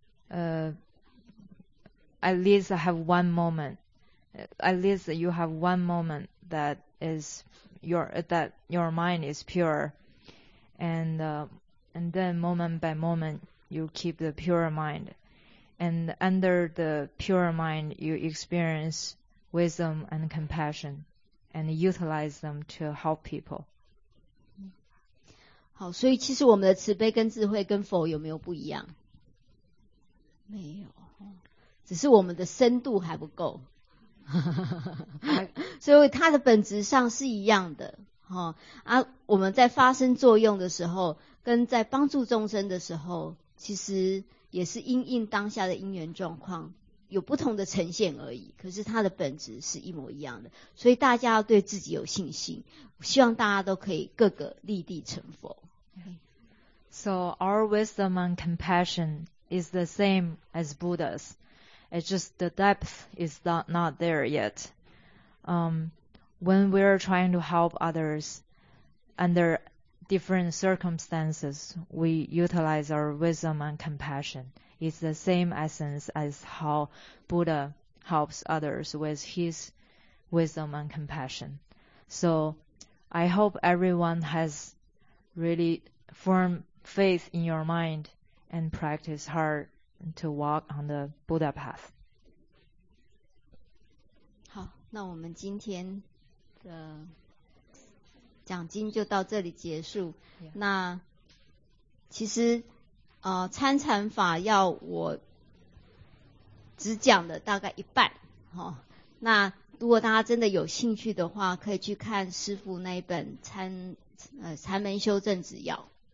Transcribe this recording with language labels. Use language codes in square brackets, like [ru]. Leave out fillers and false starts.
[en] at least have one momentAt least you have one moment that is your mind is pure, and then moment by moment you keep the pure mind, and under the pure mind you experience wisdom and compassion, and utilize them to help people. [zh] 好，所以其实我们的慈悲跟智慧跟佛有没有不一样？没有，只是我们的深度还不够。所以它的本质上是一样的，哦啊，我们在发生作用的时候跟在帮助众生的时候其实也是因应当下的因缘状况有不同的呈现而已，可是它的本质是一模一样的，所以大家要对自己有信心，希望大家都可以各个立地成佛。 [en] So our wisdom and compassion is the same as Buddha'sIt's just the depth is not there yet. When we're trying to help others under different circumstances, we utilize our wisdom and compassion. It's the same essence as how Buddha helps others with his wisdom and compassion. So I hope everyone has really firm faith in your mind and practice hard. To walk on the Buddha path. [zh] 好，那我们今天的讲经就到这里结束。 [en] Yeah. [zh] 那其实参禅法要我只讲的大概一半，哦，那如果大家真的有兴趣的话，可以去看师父那一本禅门修正指要。